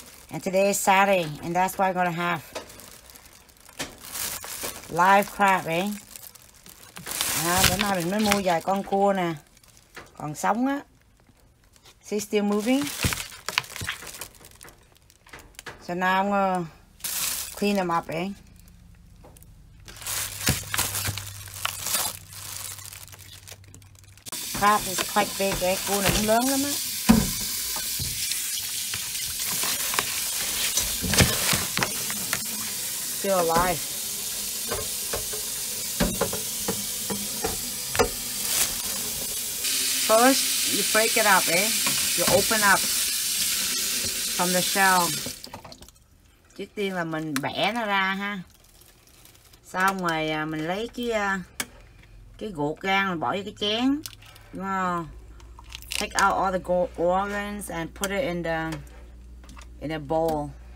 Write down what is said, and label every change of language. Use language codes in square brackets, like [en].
[en] And today is Saturday, and that's why I'm gonna have live crab, eh? [vi] À, bữa nay mình mới mua vài con cua nè. Còn sống á. [en] She's still moving. So now I'm gonna clean them up, eh? Crab is quite big, eh? [vi] Cua nó cũng lớn lắm á. [en] Still alive. First, you break it up, eh? You open up from the shell. [vi] Trước tiên là mình bẻ nó ra ha. Xong rồi mình lấy cái gỗ gan mình bỏ vô cái chén. [en] Wow. Take out all the organs and put it in a bowl.